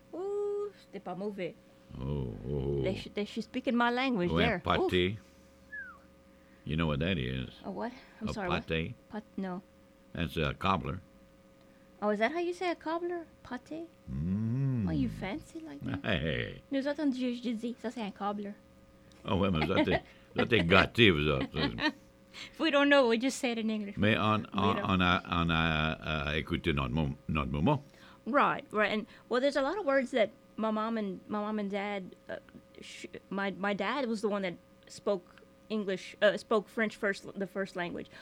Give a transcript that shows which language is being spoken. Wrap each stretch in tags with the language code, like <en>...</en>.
<fr>Ooh, c'était pas mauvais. Oh.</fr> <en>She's speaking my language there. Oh, pâté. You know what that is. A what? I'm sorry.</en> <fr>Pâté.</fr> <en>No. That's a cobbler. Oh, is that how you say a cobbler?</en> <fr>Pâté? Mmm.</fr> <en>Oh, you fancy like that? Hey.</en> <fr>Nous autres, je dis, ça c'est un cobbler.</fr> <en>Oh, well,</en> <fr>mais ça t'es gâté, vous autres.</fr> <en>If we don't know, we just say it in English.</en> <fr>Mais on a écouté notre maman.</fr> <en>Right. And, well, there's a lot of words that my mom and dad, my dad was the one that spoke English, spoke French first, the first language.</en>